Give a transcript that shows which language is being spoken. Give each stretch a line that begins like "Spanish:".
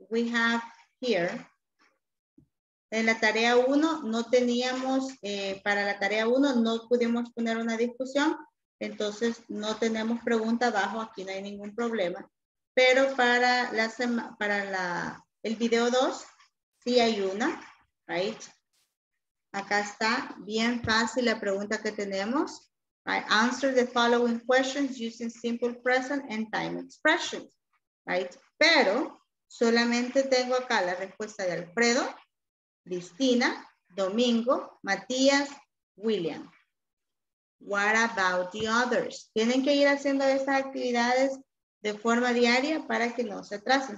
English: We have here,
Spanish: en la tarea 1, no teníamos, para la tarea 1, no pudimos poner una discusión, entonces no tenemos pregunta abajo, aquí no hay ningún problema, pero para la el video 2, sí hay una, right? Acá está, bien fácil la pregunta que tenemos, right?
English: Answer the following questions using simple present and time expressions, right?
Spanish: Pero, solamente tengo acá la respuesta de Alfredo, Cristina, Domingo, Matías, William.
English: What about the others?
Spanish: Tienen que ir haciendo estas actividades de forma diaria para que no se atrasen.